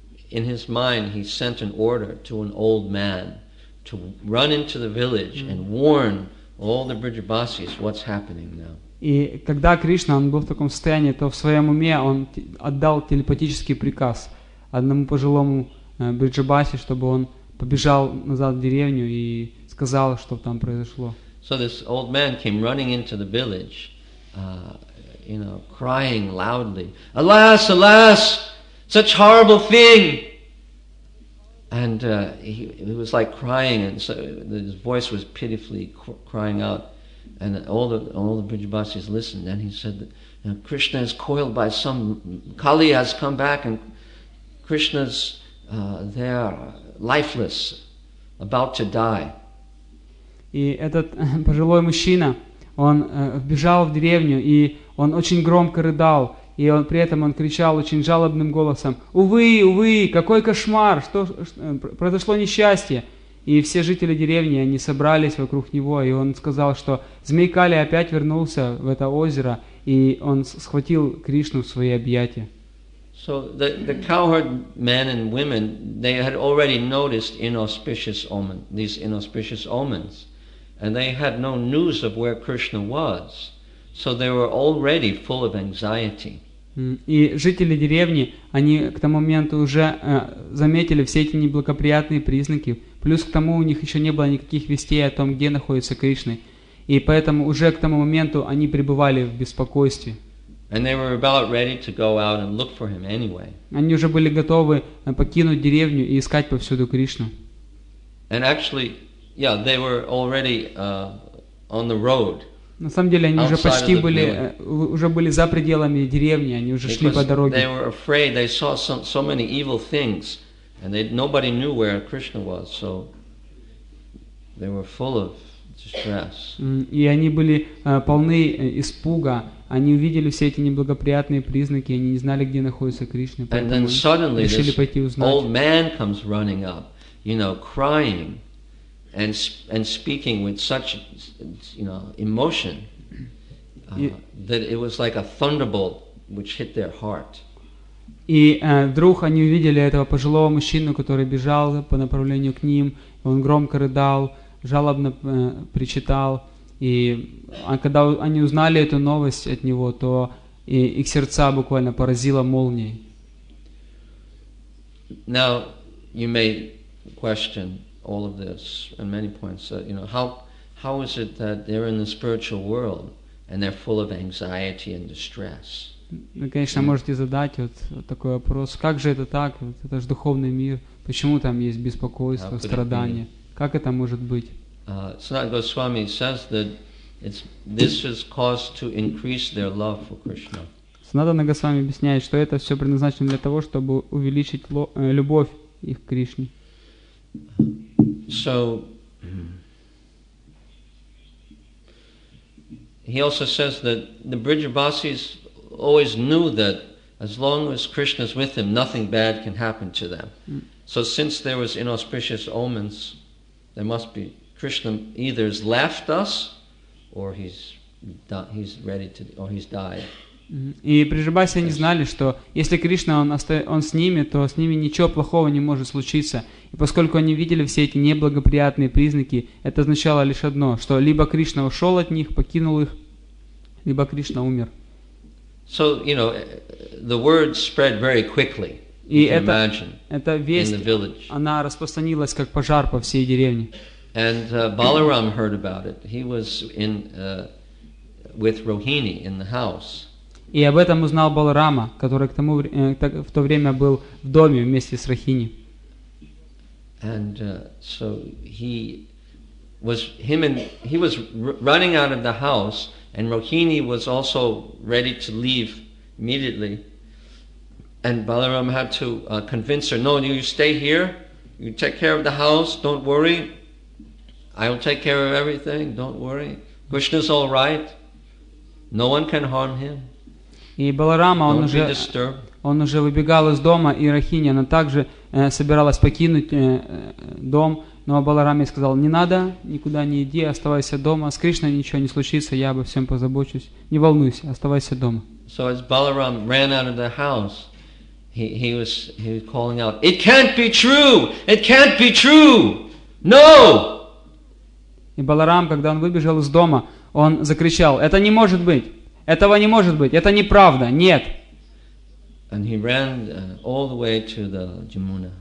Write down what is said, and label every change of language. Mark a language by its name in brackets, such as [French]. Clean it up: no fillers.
[English] In his mind, he sent an order to an old man to run into the village and warn all the Brijabasis what's happening now. [Russian] И когда Кришна, он был в таком состоянии, то в своем уме он отдал телепатический приказ одному пожилому Бриджабаси, чтобы он побежал назад в деревню и сказал, что там произошло. [English] So this old man came running into the village, you know, crying loudly, "Alas, alas, such horrible thing!" And he was like crying, and so his voice was pitifully crying out. And all the Brijabasis listened. And he said, that, "Krishna is coiled by some Kali has come back, and Krishna's there, lifeless, about to die." [Russian] И этот пожилой мужчина, он вбежал в деревню, и он очень громко рыдал, и он при этом он кричал очень жалобным голосом: "Увы, увы, какой кошмар! Что произошло несчастье?" И все жители деревни, они собрались вокруг него, и он сказал, что змей Кали опять вернулся в это озеро, и он схватил Кришну в свои объятия. [English] So the cowherd men and women, they had already noticed inauspicious omen, these inauspicious omens. And they had no news of where Krishna was, so they were already full of anxiety. [Russian] И жители деревни, они к тому моменту уже заметили все эти неблагоприятные признаки. Плюс к тому у них еще не было никаких вестей о том, где находится Кришна, и поэтому уже к тому моменту они пребывали в беспокойстве. [English] And they were about ready to go out and look for him anyway. [Russian] Они уже были готовы покинуть деревню и искать повсюду Кришну. [English] And actually. Yeah, they were already on the road. [Russian] На самом деле, они уже почти были уже были за пределами деревни, они уже шли по дороге. [English] They were afraid. They saw so many evil things, and nobody knew where Krishna was. So they were full of distress. [Russian] И они были полны испуга. Они увидели все эти неблагоприятные признаки, они не знали, где находится Кришна. [English] And then suddenly, this old man comes running up, you know, crying. And speaking with such, you know, emotion that it was like a thunderbolt which hit their heart. [Russian] И вдруг они увидели этого пожилого мужчину, который бежал по направлению к ним. Он громко рыдал, жалобно причитал. И когда они узнали эту новость от него, то их сердца буквально поразила молнией. [English] Now you may question all of this and many points. So, you know, how is it that they're in the spiritual world and they're full of anxiety and distress? [Russian] Вы, конечно, можете задать вот такой вопрос: как же это так? Это же духовный мир. Почему там есть беспокойство, страдания? Как это может быть? [English] Sanat Goswami says that This is caused to increase their love for Krishna. [Russian] Санатана Госвами объясняет, что это все предназначено для того, чтобы увеличить любовь их к Кришне. [English] So, he also says that the Brijabasis always knew that as long as Krishna is with them, nothing bad can happen to them. So since there was inauspicious omens, there must be Krishna either has left us, or he's died. [Russian] И Приджабаси они знали, что если Кришна он с ними, то с ними ничего плохого не может случиться. И поскольку они видели все эти неблагоприятные признаки, это означало лишь одно, что либо Кришна ушел от них, покинул их, либо Кришна умер. [English] So, you know, the word spread very quickly, [Russian] и эта весть, она распространилась как пожар по всей деревне. [English] And Balaram heard about it. He was in with Rohini in the house. [Russian] И об этом узнал Баларама, который к тому в то время был в доме вместе с Рахини. [English] And so he was running out of the house, and Rohini was also ready to leave immediately. And Balaram had to convince her, "No, you stay here. You take care of the house. Don't worry. I will take care of everything. Don't worry. Krishna's all right. No one can harm him." [Russian] И Баларама, он уже выбегал из дома, и Рахини, она также собиралась покинуть дом, но Баларама ей сказал: «Не надо, никуда не иди, оставайся дома, с Кришной ничего не случится, я обо всем позабочусь, не волнуйся, оставайся дома». [English] So as Balaram ran out of the house, he was calling out, «It can't be true! It can't be true! No!» [Russian] И Баларам, когда он выбежал из дома, он закричал: «Это не может быть! Этого не может быть. Это неправда. Нет». [English] And he ran all the way to the Jamuna.